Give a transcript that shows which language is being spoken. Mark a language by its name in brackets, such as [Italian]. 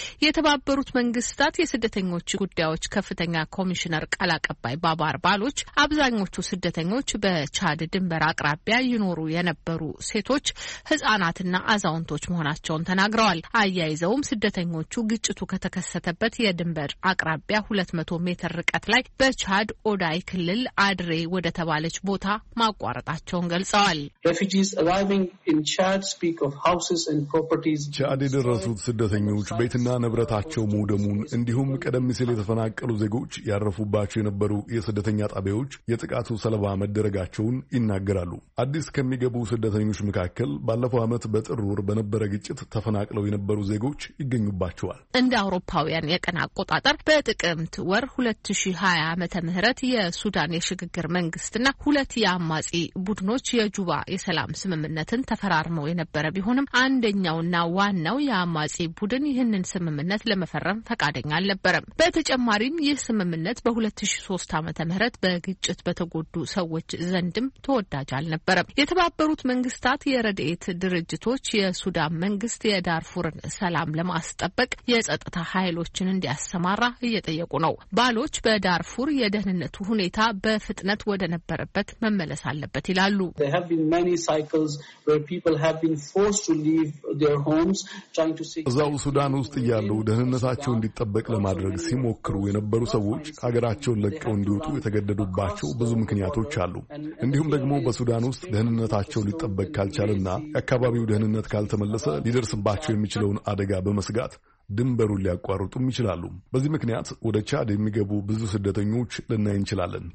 [Amharic] የተባበሩት መንግስታት የስደተኞች ጉዳዮች ከፍተኛ ኮሚሽነር ቃል አቀባይ ባባር ባሎች አብዛኞቹ ስደተኞች በቻድ ድንበር አቅራቢያ ይኖሩ የነበሩ ሴቶች፣ ህጻናትና አዛውንቶች መሆናቸውን ተናግረዋል። አያይዘውም ስደተኞቹ ግጭቱ ከተከሰተበት የድንበር አቅራቢያ 200 ሜትር ርቀት ላይ በቻድ ኦዳይ ክልል አድሬ ወደ ተባለች ቦታ ማቋረጣቸውን ገልጸዋል። [English] Refugees arriving in Chad speak of houses and properties. [Amharic] ቻድ የደረሱት ስደተኞች ቤትና ንብረታቸው ሞደሙን እንዲሁም ቀደም ሲል የተፈናቀሉ ዜጎች ያረፉባቸው የነበሩ የስደተኛ ጣቢያዎች የጥቃቱ ሰለባ መደረጋቸውን ይናገራሉ። አዲስ ከሚገቡ ስደተኞች መካከል ባለፈው አመት በጥር ወር በነበረ ግጭት ተፈናቅለው የነበሩ ዜጎች ይገኙባቸዋል። እንደ አውሮፓውያን የቀን አቆጣጠር በጥቅምት ወር 2020 ዓመተ ምህረት የሱዳን የሽግግር መንግስትና ሁለት የአማጺ ቡድኖች የጁባ የሰላም ስምምነትን ተፈራርመው የነበረ ቢሆንም አንደኛውና ዋናው የአማጺ ቡድን ይህንን ስምምነት ለመፈረም ፈቃደኛ አልነበረም። በተጨማሪም ይህ ስምምነት በ2003 ዓመተ ምህረት በግጭት በተጎዱ ሰዎች ዘንድም ተወዳጅ አልነበረም። የተባበሩት መንግስታት የረድኤት ድርጅቶች የሱዳን መንግስት የዳርፉርን ሰላም ለማስጠበቅ የጸጥታ ኃይሎችን እንዲያሰማራ እየጠየቁ ነው። ባሎች በዳርፉር የደህንነቱ ሁኔታ በፍጥነት ወደ ነበረበት መመለስ አለበት ይላሉ። [English] There have been many cycles where people have been forced to leave their homes trying to seek [Amharic] እዛው ሱዳን ውስጥ ያለው ደህንነታቸው እንዲጠበቅ ለማድረግ ሲሞክሩ የነበሩ ሰዎች ሀገራቸውን ለቀው እንዲወጡ የተገደዱባቸው ብዙ ምክንያቶች አሉ። እንዲሁም ደግሞ በሱዳን ውስጥ ደህንነታቸው ሊጠበቅ ካልቻለና የአካባቢው ደህንነት ካልተመለሰ ሊደርስባቸው የሚችለውን አደጋ በመስጋት ድንበሩን ሊያቋርጡም ይችላሉ። በዚህ ምክንያት ወደ ቻድ የሚገቡ ብዙ ስደተኞች ልናይ እንችላለን።